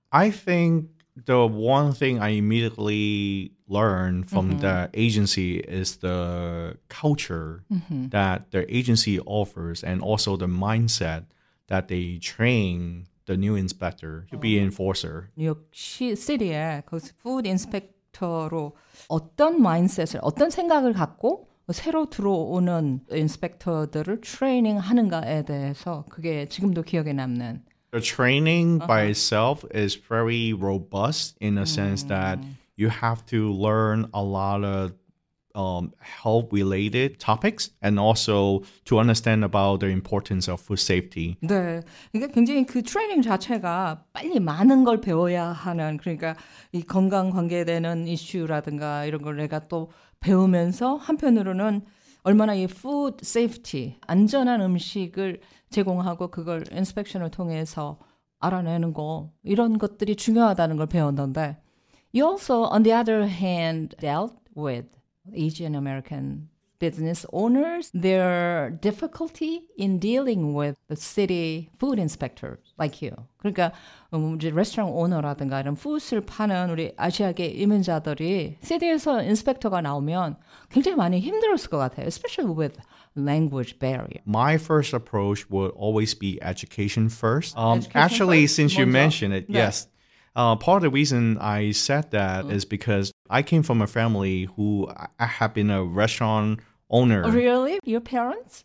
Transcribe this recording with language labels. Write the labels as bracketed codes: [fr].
[en] I think the one thing I immediately learned from mm-hmm. the agency is the culture mm-hmm. that the agency offers and also the mindset that they train the new inspector to be an enforcer. [ko] 뉴욕 시티에 그 food inspector로 어떤 마인셋을 어떤 생각을 갖고 새로 들어오는 인스펙터들을 트레이닝 하는가에 대해서 그게 지금도 기억에 남는 [en] The training uh-huh. by itself is very robust in a sense that you have to learn a lot of health-related topics and also to understand about the importance of food safety. [ko] 네, 그러니까 굉장히 그 트레이닝 자체가 빨리 많은 걸 배워야 하는 그러니까 이 건강 관계되는 이슈라든가 이런 걸 내가 또 배우면서 한편으로는 얼마나 이 food safety, 안전한 음식을 제공하고 그걸 인스펙션을 통해서 알아내는 거 이런 것들이 중요하다는 걸 배웠는데 [en] You also, on the other hand, dealt with Asian American business owners, their difficulty in dealing with the city food inspectors like you. [ko] 그러니까 레스토랑 오너라든가 이런 푸드를 파는 우리 아시아계 이민자들이 시티에서 인스펙터가 나오면 굉장히 많이 힘들었을 것 같아요. [en] Especially with language barrier. My first approach would always be education first. Since you mentioned it, yeah. yes. Part of the reason I said that is because I came from a family who have been a restaurant owner. Really? Your parents?